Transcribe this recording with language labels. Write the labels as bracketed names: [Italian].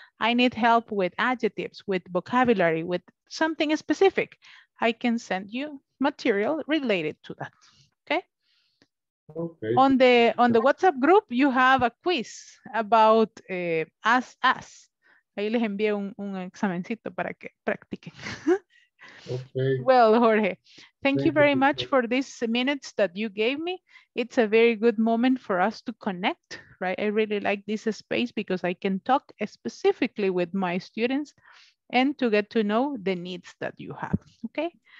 [English] I need help with adjectives, with vocabulary, with something specific. I can send you material related to that. Okay. On the WhatsApp group, you have a quiz about us. [Spanish] Ahí les envié un examencito para que practiquen. [English] Okay. Well, Jorge, thank you very much for these minutes that you gave me. It's a very good moment for us to connect, right? I really like this space because I can talk specifically with my students and to get to know the needs that you have. Okay.